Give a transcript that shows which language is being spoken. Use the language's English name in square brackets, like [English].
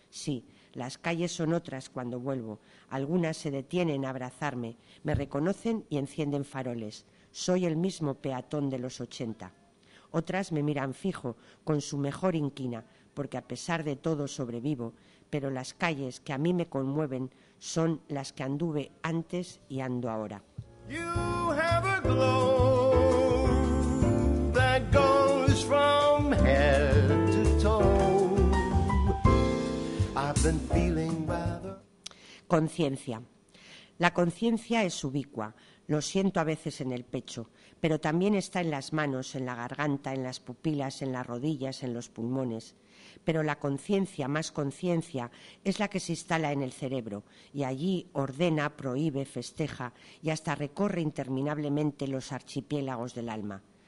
[Spanish] Sí, las calles son otras cuando vuelvo. Algunas se detienen a abrazarme, me reconocen y encienden faroles. Soy el mismo peatón de los 80. Otras me miran fijo, con su mejor inquina, porque a pesar de todo sobrevivo, pero las calles que a mí me conmueven son las que anduve antes y ando ahora. [English] You have a glow that goes from head to toe. I've been feeling rather... [Spanish] Conciencia. La conciencia es ubicua, lo siento a veces en el pecho, pero también está en las manos, en la garganta, en las pupilas, en las rodillas, en los pulmones. Pero la conciencia, más conciencia, es la que se instala en el cerebro y allí ordena, prohíbe, festeja y hasta recorre interminablemente los archipiélagos del alma.